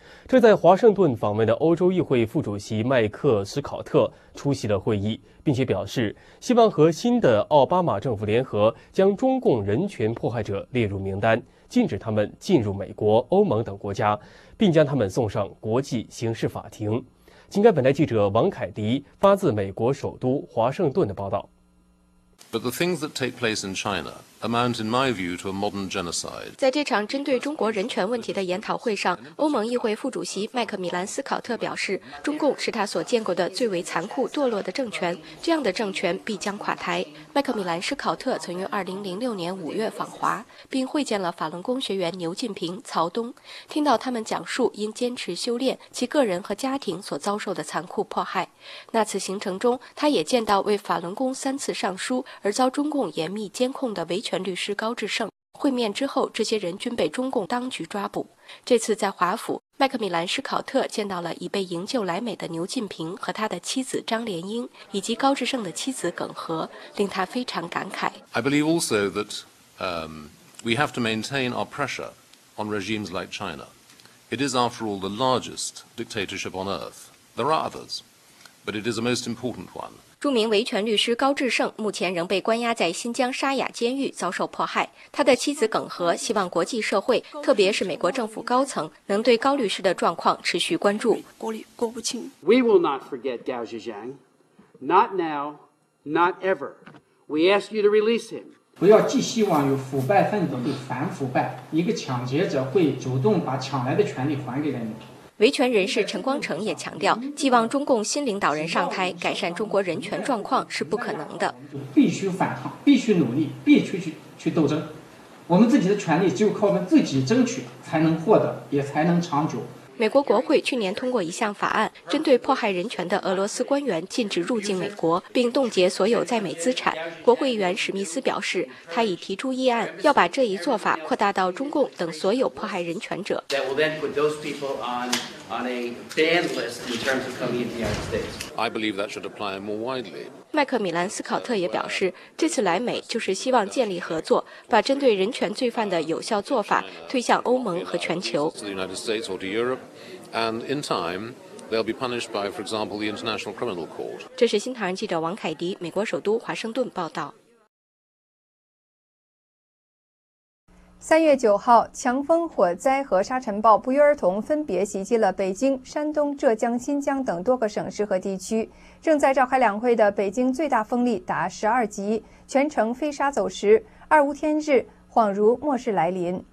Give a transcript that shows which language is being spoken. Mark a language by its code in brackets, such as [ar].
[zh] 正在华盛顿访问的欧洲议会副主席麦克斯考特出席了会议，并且表示希望和新的奥巴马政府联合，将中共人权迫害者列入名单，禁止他们进入美国、欧盟等国家，并将他们送上国际刑事法庭。请看本台记者王凯迪发自美国首都华盛顿的报道。 [en] But the things that take place in China amount, in my view, to a modern genocide. [zh] 在这场针对中国人权问题的研讨会上，欧盟议会副主席麦克米兰斯考特表示，中共是他所见过的最为残酷堕落的政权，这样的政权必将垮台。麦克米兰斯考特曾于2006年5月访华，并会见了法轮功学员牛进平、曹东，听到他们讲述因坚持修炼其个人和家庭所遭受的残酷迫害。那次行程中，他也见到为法轮功三次上书而遭中共严密监控的维权律师高志胜。会面之后，这些人均被中共当局抓捕。这次在华府，麦克米兰斯考特见到了已被营救来美的牛进平和他的妻子张莲英，以及高志胜的妻子耿和，令他非常感慨。 [en] I believe also that we have to maintain our pressure on regimes like China. It is, after all, the largest dictatorship on earth. There are others, but it is a most important one. [zh] 著名维权律师高志胜目前仍被关押在新疆沙雅监狱遭受迫害，他的妻子耿和希望国际社会，特别是美国政府高层，能对高律师的状况持续关注。郭不清。 [en] We will not forget Gao Zhejiang. Not now, not ever. We ask you to release him. [zh] 不要寄希望于腐败分子会反腐败，一个抢劫者会主动把抢来的权利还给了你。维权人士陈光诚也强调，寄望中共新领导人上台改善中国人权状况是不可能的。必须反抗，必须努力，必须去斗争。我们自己的权利只有靠我们自己争取才能获得，也才能长久。美国国会去年通过一项法案，针对迫害人权的俄罗斯官员禁止入境美国，并冻结所有在美资产。国会议员史密斯表示，他已提出议案，要把这一做法扩大到中共等所有迫害人权者。 [en] That will then put those people on a banned list in terms of coming into the United States. I believe that should apply more widely. [zh] 麦克米兰斯考特也表示，这次来美就是希望建立合作，把针对人权罪犯的有效做法推向欧盟和全球。 [en] To the United States or to Europe, and in time, they'll be punished by, for example, the International Criminal Court. [zh] 这是新唐人记者王凯迪，美国首都华盛顿报道。 3月9号，强风、火灾和沙尘暴不约而同分别袭击了北京、山东、浙江、新疆等多个省市和地区。正在召开两会的北京最大风力达12级，全城飞沙走石，二无天日，恍如末世来临。